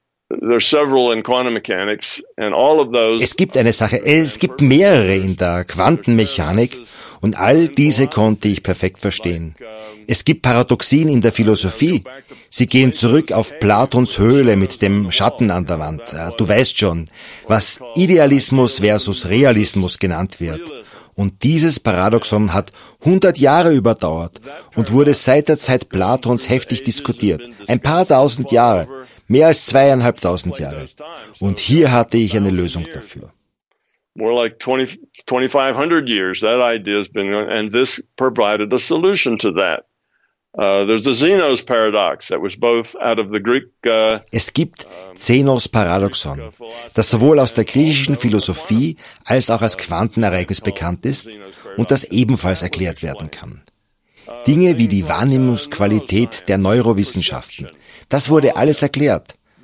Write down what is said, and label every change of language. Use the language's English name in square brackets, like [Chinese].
[English] There's several in quantum mechanics, and all of those. [German] Es gibt eine Sache. Es gibt mehrere in der Quantenmechanik, und all diese konnte ich perfekt verstehen. Es gibt Paradoxien in der Philosophie. Sie gehen zurück auf Platons Höhle mit dem Schatten an der Wand. Du weißt schon, was Idealismus versus Realismus genannt wird. Und dieses Paradoxon hat 100 Jahre überdauert und wurde seit der Zeit Platons heftig diskutiert. Ein paar tausend Jahre, mehr als 2.500 Jahre. Und hier hatte ich eine Lösung dafür. [English] More like 2500 years, that idea has been, and this provided a solution to that. There's the Zeno's paradox that was both out of the Greek. [German] Es gibt Zenos Paradoxon, das sowohl aus der griechischen Philosophie als auch als Quantenereignis bekannt ist und das ebenfalls erklärt werden kann. Dinge wie die Wahrnehmungsqualität der Neurowissenschaften, das wurde alles erklärt.